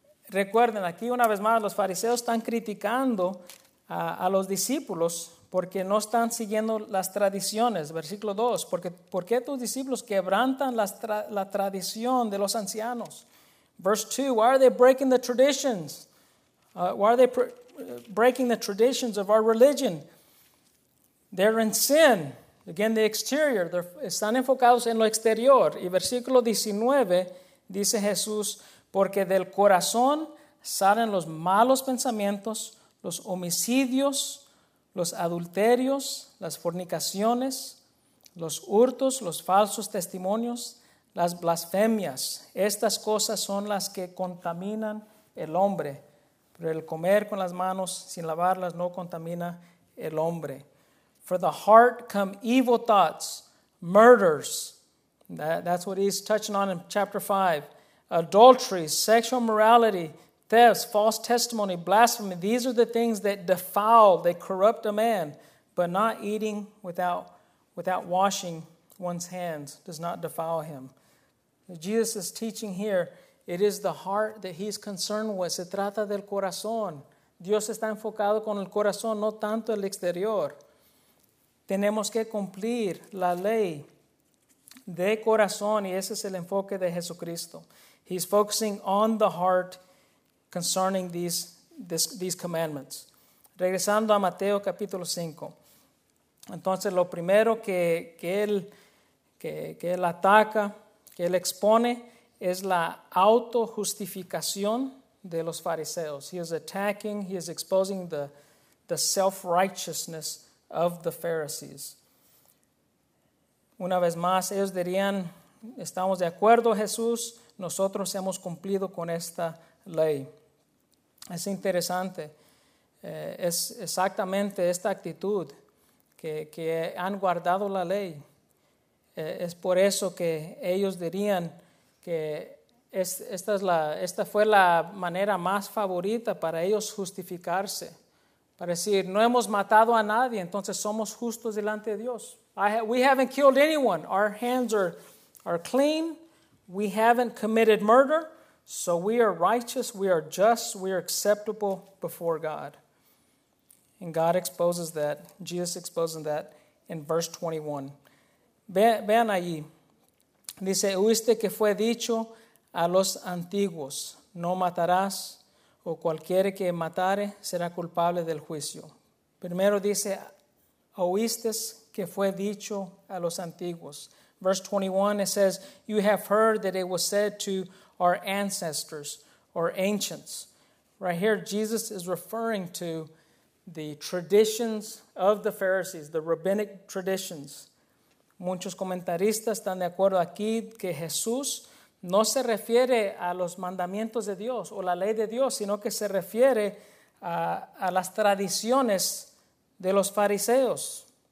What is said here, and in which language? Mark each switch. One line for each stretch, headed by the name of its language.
Spanish: Recuerden, aquí una vez más, los fariseos están criticando a los discípulos porque no están siguiendo las tradiciones. Versículo 2, ¿por qué tus discípulos quebrantan la tradición de los ancianos?
English: Verse 2, why are they breaking the traditions? Why are they breaking the traditions of our religion? They're in sin. Again, the exterior.
Spanish: Están enfocados en lo exterior. Y versículo 19, dice Jesús, porque del corazón salen los malos pensamientos, los homicidios, los adulterios, las fornicaciones, los hurtos, los falsos testimonios, las blasfemias. Estas cosas son las que contaminan el hombre. Pero el comer con las manos sin lavarlas no contamina el hombre.
English: For the heart come evil thoughts, murders. That's what he's touching on in chapter 5. Adultery, sexual morality, thefts, false testimony, blasphemy. These are the things that defile, they corrupt a man. But not eating without washing one's hands does not defile him. Jesus is teaching here, it is the heart that he's concerned with.
Spanish: Se trata del corazón. Dios está enfocado con el corazón, no tanto el exterior. Tenemos que cumplir la ley de corazón, y ese es el enfoque de Jesucristo.
English: He's focusing on the heart concerning these commandments.
Spanish: Regresando a Mateo capítulo 5. Entonces lo primero que él ataca, que él expone, es la autojustificación de los fariseos.
English: He is attacking, he is exposing the self-righteousness of the Pharisees.
Spanish: Una vez más, ellos dirían, estamos de acuerdo, Jesús, nosotros hemos cumplido con esta ley. Es interesante, es exactamente esta actitud que han guardado la ley. Es por eso que ellos dirían que esta fue la manera más favorita para ellos justificarse. Para decir, no hemos matado a nadie, entonces somos justos delante de Dios.
English: We haven't killed anyone. Our hands are clean. We haven't committed murder. So we are righteous, we are just, we are acceptable before God. And God exposes that. Jesus exposes that in verse 21.
Spanish: Vean allí. Dice, oíste que fue dicho a los antiguos, no matarás, o cualquiera que matare será culpable del juicio. Primero dice, oíste que fue dicho a los antiguos.
English: Verse 21, it says, you have heard that it was said to our ancestors or ancients. Right here, Jesus is referring to the traditions of the Pharisees, the rabbinic traditions.
Spanish: Muchos comentaristas están de acuerdo aquí que Jesús no se refiere a los mandamientos de Dios o la ley de Dios, sino que se refiere a las tradiciones de los fariseos.